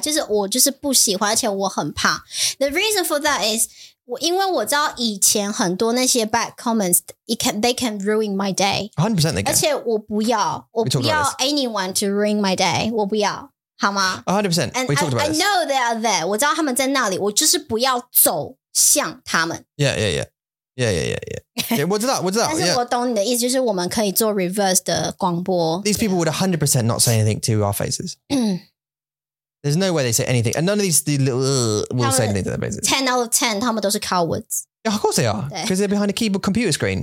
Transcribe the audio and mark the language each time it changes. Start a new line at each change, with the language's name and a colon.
Chinese: 就是我就是不喜欢, 而且我很怕.
English: The reason for that is 因为我知道以前很多那些 bad comments, they can ruin my day. 100% they can.
Chinese: 而且我不要 anyone to ruin my day. 我不要, 好吗?
English: 100%. And we talked about this. I know they are there.
Chinese: 我知道他们在那里, 我就是不要走向他们.
English: Yeah, yeah, yeah. Yeah. What's up? What's up? These people would 100% not say anything to our faces. There's no way they say anything. And none of these little will say anything to their faces. 10 out of 10, 他们都是 cowards. Yeah, of course they are. Because they're behind a keyboard computer screen.